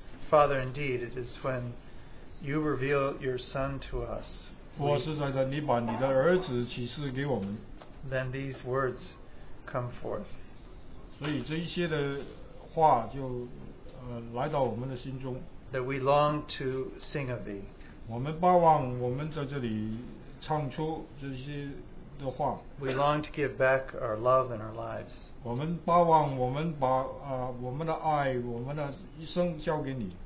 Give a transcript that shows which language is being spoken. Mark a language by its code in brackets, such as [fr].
[en] Father, indeed, it is when you reveal your Son to us. [zh] 我是在的，你把你的儿子启示给我们。 [en] Then these words come forth. [zh] 所以这一些的话就来到我们的心中。 [en] That we long to sing of thee. [zh] 我们盼望我们在这里唱出这些的话。 [en] We long to give back our love and our lives. [zh] 我们盼望我们把我们的爱我们的一生交给你。